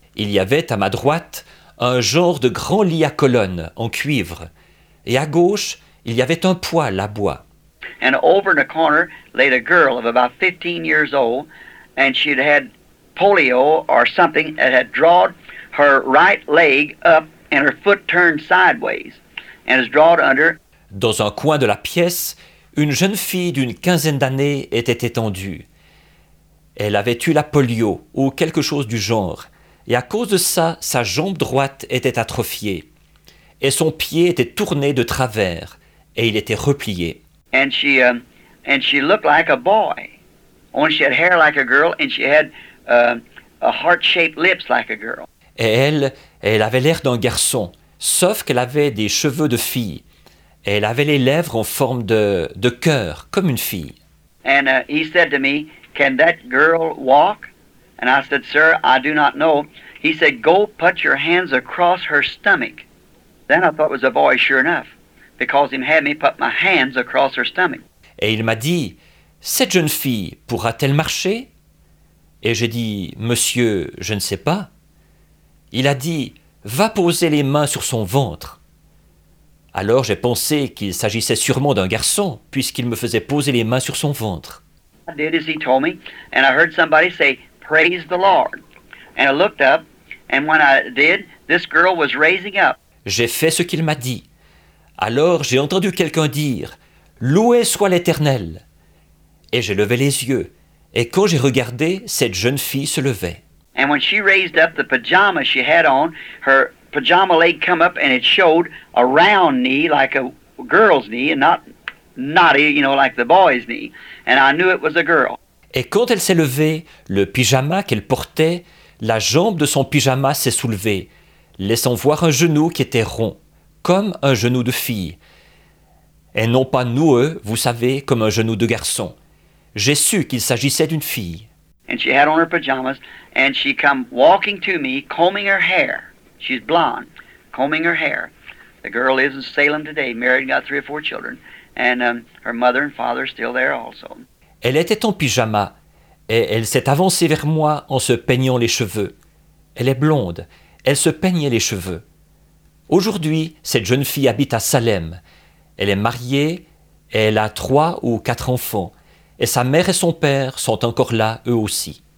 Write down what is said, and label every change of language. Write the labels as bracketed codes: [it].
[fr] Il y avait à ma droite un genre de grand lit à colonne en cuivre. Et à gauche, il y avait un poêle à bois. [en] And over in the corner lay a girl of about 15 years old and she'd had polio or something that had drawn her right leg up and her foot turned sideways and is drawn under. [fr] Dans un coin de la pièce, une jeune fille d'une quinzaine d'années était étendue. Elle avait eu la polio ou quelque chose du genre, et à cause de ça, sa jambe droite était atrophiée. Et son pied était tourné de travers, et il était replié. [en] And she looked like a boy. Only she had hair like a girl, and she had a heart-shaped lips like a girl. [fr] Et elle avait l'air d'un garçon, sauf qu'elle avait des cheveux de fille. Elle avait les lèvres en forme de cœur, comme une fille. [en] And he said to me, can that girl walk? And I said, sir, I do not know. He said, go put your hands across her stomach. Then I thought it was a boy, sure enough, because he had me put my hands across her stomach. [fr] Et il m'a dit, cette jeune fille, pourra-t-elle marcher? Et j'ai dit, monsieur, je ne sais pas. Il a dit, va poser les mains sur son ventre. Alors j'ai pensé qu'il s'agissait sûrement d'un garçon, puisqu'il me faisait poser les mains sur son ventre. [en] I did as he told me, and I heard somebody say, praise the Lord. And I looked up, and when I did, this girl was raising up. [fr] J'ai fait ce qu'il m'a dit. Alors j'ai entendu quelqu'un dire, loué soit l'Éternel. Et j'ai levé les yeux, et quand j'ai regardé, cette jeune fille se levait. [en] And when she raised up the pajama she had on, her pajama leg come up and it showed a round knee like a girl's knee and not knotty, you know, like the boy's knee. And I knew it was a girl. [fr] Et quand elle s'est levée, le pyjama qu'elle portait, la jambe de son pyjama s'est soulevée, laissant voir un genou qui était rond, comme un genou de fille. Et non pas noueux, vous savez, comme un genou de garçon. J'ai su qu'il s'agissait d'une fille. [en] And she had on her pajamas and she come walking to me combing her hair. She's blonde, combing her hair. The girl lives in Salem today, married and got three or four children. And her mother and father are still there also. [fr] Elle était en pyjama, et elle s'est avancée vers moi en se peignant les cheveux. Elle est blonde, elle se peignait les cheveux. Aujourd'hui, cette jeune fille habite à Salem. Elle est mariée, et elle a trois ou quatre enfants. Et sa mère et son père sont encore là, eux aussi.